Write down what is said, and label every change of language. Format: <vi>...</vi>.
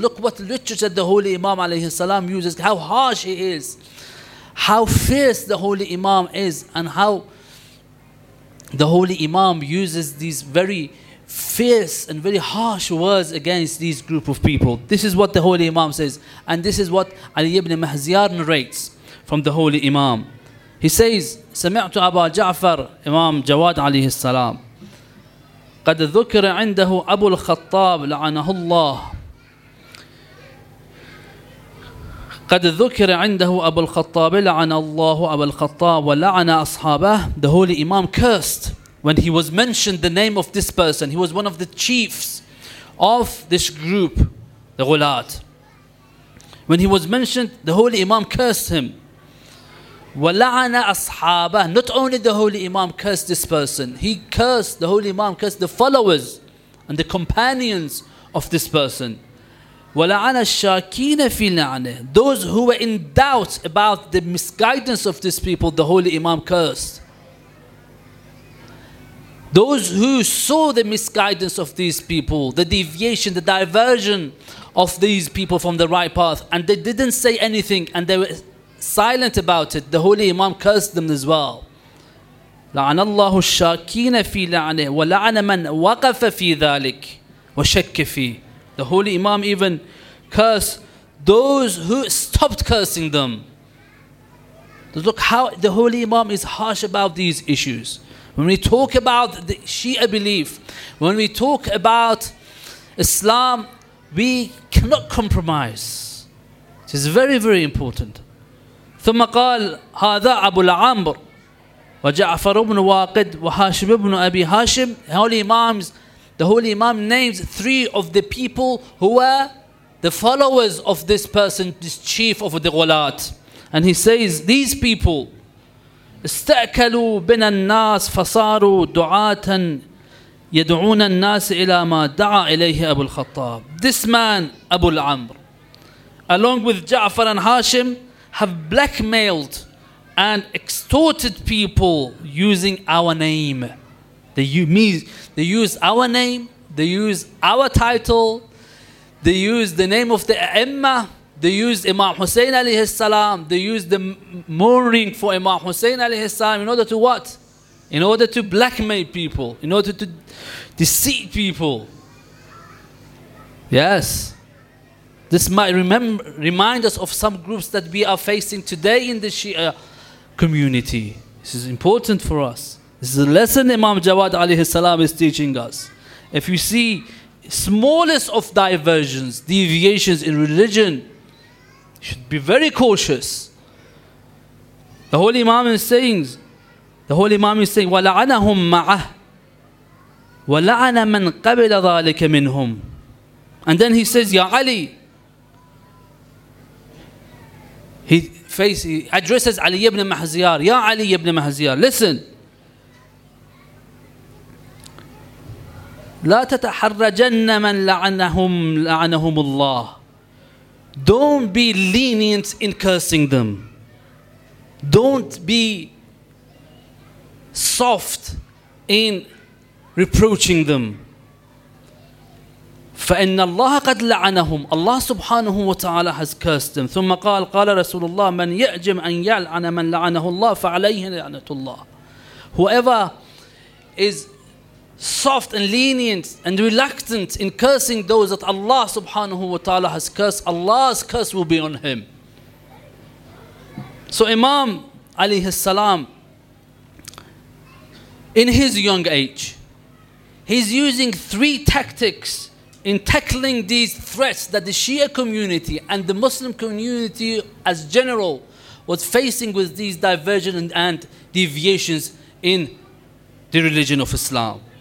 <en>Look what literature the Holy Imam alayhi salam uses, how harsh he is, how fierce the Holy Imam is, and how the Holy Imam uses these very fierce and very harsh words against these group of people. This is what the Holy Imam says, and this is what Ali ibn Mahziyar narrates from the Holy Imam. He says,</en> <ar>سمعت أبا جعفر إمام جواد عليه السلام قد ذكر عنده أبو الخطاب لعنه الله قد ذكر عنده أبو الخطاب لعن الله أبو الخطاب ولعن أصحابه.</ar> <en>The Holy Imam cursed when he was mentioned the name of this person. He was one of the chiefs of this group, the Ghulat. When he was mentioned, the Holy Imam cursed him.</en> <ar>وَلَعَنَ أَصْحَابَهُ.</ar> <en>Not only the Holy Imam cursed this person, the Holy Imam cursed the followers and the companions of this person.</en> <ar>وَلَعَنَ الشَّاكِينَ فِي لَعْنِهِ.</ar> <en>Those who were in doubt about the misguidance of these people, the Holy Imam cursed. Those who saw the misguidance of these people, the deviation, the diversion of these people from the right path, and they didn't say anything, and they were silent about it, the Holy Imam cursed them as well.</en> <ar>لعن الله الشاكين في لعنه ولعن من وقف في ذلك وشك فيه.</ar> <en>The holy Imam even cursed those who stopped cursing them. Look how the holy Imam is harsh about these issues. When we talk about the Shia belief, when we talk about Islam, we cannot compromise. It is very, very important.</en> <ar>ثم قال هذا أبو العمر وجعفر بن واقد وهاشم بن أبي هاشم.</ar> <en>The Holy Imam names three of the people who were the followers of this person, this chief of the Ghulat. And he says, these people</en> <ar>استأكلوا بنا الناس فصاروا دعاة يدعون الناس إلى ما دعا إليه أبو الخطاب.</ar> <en>This man, Abu al-Amr, along with Ja'far and Hashim, have blackmailed and extorted people using our name. They use our name, they use our title, they use the name of the Imam, they use Imam Hussein alayhi salam, they use the mourning for Imam Hussein alayhi salam in order to what? In order to blackmail people, in order to deceive people. Yes. This might remind us of some groups that we are facing today in the Shia community. This is important for us. This is a lesson Imam Jawad alayhi salam is teaching us. If you see smallest of diversions, deviations in religion, you should be very cautious. The Holy Imam is saying,</en> <ar>وَلَعَنَهُمْ مَعَهُ وَلَعَنَ مَنْ قَبِلَ ذَلِكَ مِنْهُمْ.</ar> <en>And then he says, Ya Ali. He addresses Ali ibn Mahziyar. Ya Ali ibn Mahziyar, listen.</en> <ar>لا تتحرجن من لعنهم لعنهم الله.</ar> <en>Don't be lenient in cursing them. Don't be soft in reproaching them.</en> <ar>فإن الله قد لعنهم.</ar> <en>Allah</en> <ar>سبحانه وتعالى</ar> <en>has cursed them.</en> <ar>ثم قال قال رسول الله من يعجم أن يلعن من لعنه الله فعليه لعنة الله.</ar> <en>Whoever is soft and lenient and reluctant in cursing those that Allah subhanahu wa ta'ala has cursed, Allah's curse will be on him. So Imam alayhi salam, in his young age, he's using three tactics in tackling these threats that the Shia community and the Muslim community as general was facing with these divergent and deviations in the religion of Islam.</en>